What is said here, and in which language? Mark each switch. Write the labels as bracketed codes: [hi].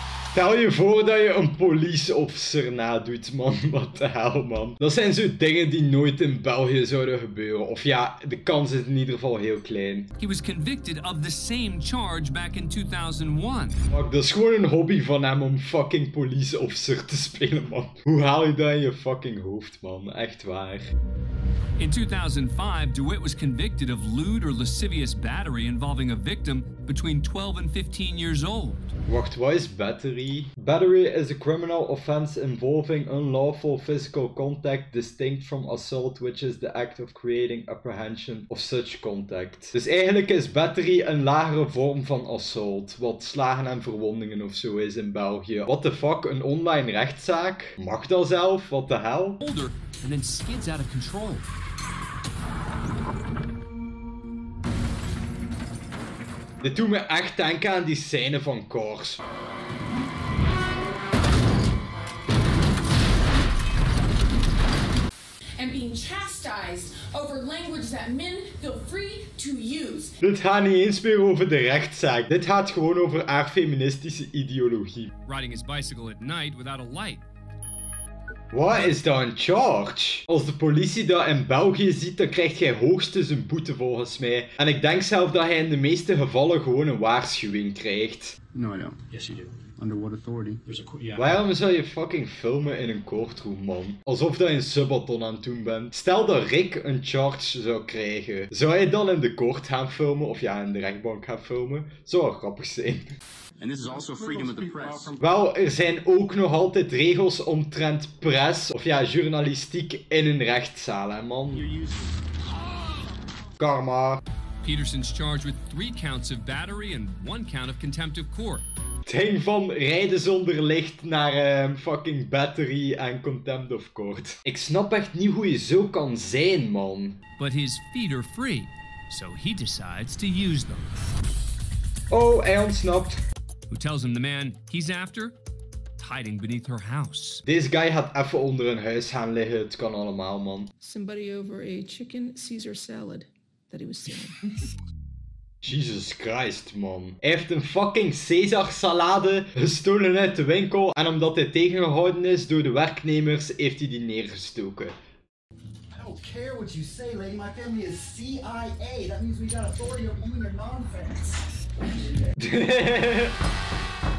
[nl] Stel je voor dat je een police officer nadoet, man. Wat de hel, man. Dat zijn zo dingen die nooit in België zouden gebeuren. Of ja, de kans is in ieder geval heel klein. [en] He was convicted of the same charge back in 2001. [nl] Fuck, dat is gewoon een hobby van hem om fucking police officer te spelen, man. Hoe haal je dat in je fucking hoofd, man? Echt waar. [en] In 2005, DeWitt was convicted of lewd or lascivious battery involving a victim between 12 and 15 years old. [nl] Wacht, wat is battery? [en] Battery is a criminal offense involving unlawful physical contact distinct from assault, which is the act of creating apprehension of such contact. [nl] Dus eigenlijk is battery een lagere vorm van assault, wat slagen en verwondingen of zo is in België. [en] What the fuck, [nl] een online rechtszaak? Mag dat zelf? [en] What the hell? Older. And then skids out of control. [nl] Dit doet me echt denken aan die scène van Kors. [en] And being chastised over language that men feel free to use. [nl] Dit gaat niet eens meer over de rechtszaak. Dit gaat gewoon over haar feministische ideologie. [en] Riding his bicycle at night without a light. [nl] Wat is dat een charge? Als de politie dat in België ziet, dan krijgt hij hoogstens een boete volgens mij. En ik denk zelf dat hij in de meeste gevallen gewoon een waarschuwing krijgt. [en] No, I don't. Yes, you do. Under what authority? [nl] Waarom zou je fucking filmen in een courtroom, man? Alsof dat je een subathon aan het doen bent. Stel dat Rick een charge zou krijgen. Zou hij dan in de court gaan filmen? Of ja, in de rechtbank gaan filmen? Zou wel grappig zijn. [en] And this is also freedom of the press. [nl] Wel, er zijn ook nog altijd regels omtrent press. Of ja, journalistiek in een rechtszaal, hè, man. [en] Karma. Peterson's charged with 3 counts of battery and 1 count of contempt of court. [nl] Ding van rijden zonder licht naar fucking battery en contempt of court. Ik snap echt niet hoe je zo kan zijn, man. [en] But his feet are free, so he decides to use them. [nl] Oh, hij ontsnapt. [en] Who tells him the man he's after? Hiding beneath her house. [nl] Deze guy gaat even onder een huis gaan liggen. Het kan allemaal, man. [en] Somebody over a chicken Caesar salad that he was stealing. Jesus Christ, man. [nl] Hij heeft een fucking Caesar salade gestolen uit de winkel. En omdat hij tegengehouden is door de werknemers, heeft hij die neergestoken. [en] I don't care what you say, lady. My family is CIA. That means we got authority over you and your nonsense.